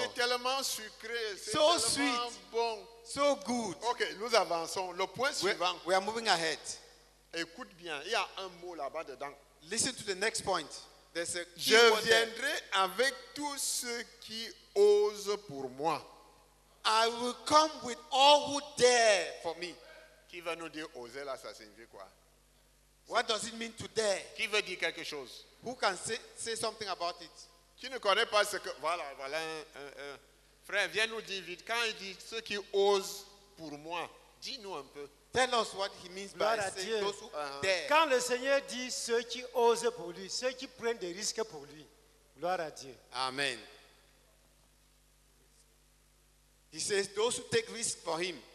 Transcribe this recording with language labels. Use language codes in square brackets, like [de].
[fr] C'est tellement sucré. C'est [en] so [fr] tellement [en] sweet. [fr] Bon. [en] So good. [fr] Ok, nous avançons. Le point suivant. [en] We are moving ahead. [fr] Écoute bien, il y a un mot là-bas dedans. [en] Listen to the next point. [fr] Je viendrai avec tous ceux qui osent pour moi. [en] I will come with all who dare for me. [fr] Qui va nous dire oser là, ça signifie quoi? [en] What does it mean to dare? [fr] Qui veut dire quelque chose? [en] Who can say something about it? [fr] Qui ne connaît pas ce que... Voilà un frère, viens nous dire vite. Quand il dit ceux qui osent pour moi, dis-nous un peu. [en] Tell us what he means by saying those who dare. [fr] Quand le Seigneur dit ceux qui osent pour lui, ceux qui prennent des risques pour lui, gloire à Dieu. Amen. [en] He says those who take risks for him.